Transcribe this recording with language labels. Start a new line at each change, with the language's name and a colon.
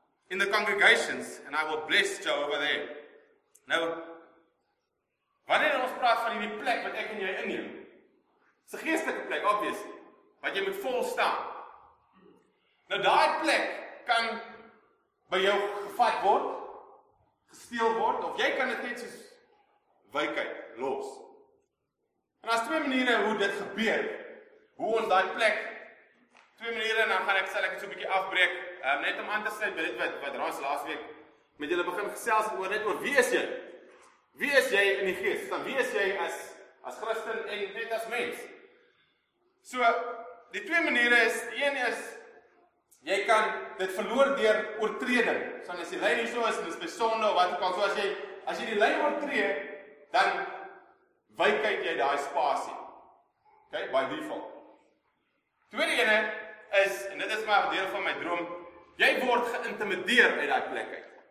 English: In the congregations, and I will bless you over there.
Afrikaans: Nou, wanneer ons praat van die plek wat ek en jy inneem, is 'n geestelike plek, obviously, wat jy moet vol staan. Nou daai plek kan by jou gevat word, gesteel word, of jy kan dit net soos wykheid los. En daar's twee maniere hoe dit gebeur, hoe ons daai plek, twee maniere, en dan gaan ek sal ek so 'n bietjie afbreek, net om aan te sluit by dit wat Raas laas week met julle begin gesels oor, net oor wie is jy? Wie is jy in die gees? Dan wie is jy as Christen en net as mens? So, die twee maniere is, die een is, jy kan dit verloor deur oortreding. So as jy lyn hierso is, en dis by sonde of wat ook al, so as jy die lyn oortree, dan wyk jy daai spasie.
English: OK, by default.
Afrikaans: Tweede ene is, en dit is maar deel van my droom, jy word geïntimideer uit daai plek uit.